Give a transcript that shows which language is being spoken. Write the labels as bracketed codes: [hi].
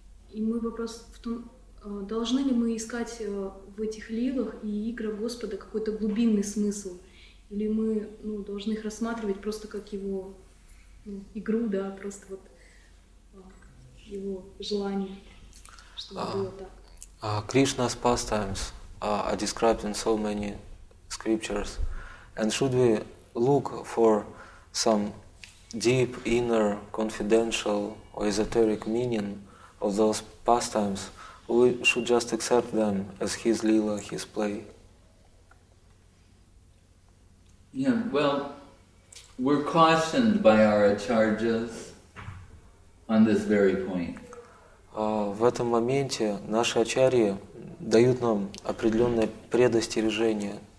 [ru] И мой вопрос в том, должны ли мы искать в этих лилах и играх Господа какой-то глубинный смысл, или мы, ну, должны их рассматривать просто как его, ну, игру, да, просто вот его желание, чтобы было так. [en] Krishna's pastimes are described in so many scriptures, and should we look for some deep inner confidential or esoteric meaning of those pastimes, or we should just accept them as his lila, his play? Yeah, well, we're cautioned by our acharyas on this very point. [ru] В этом моменте наши ачарьи дают нам определенное предостережение.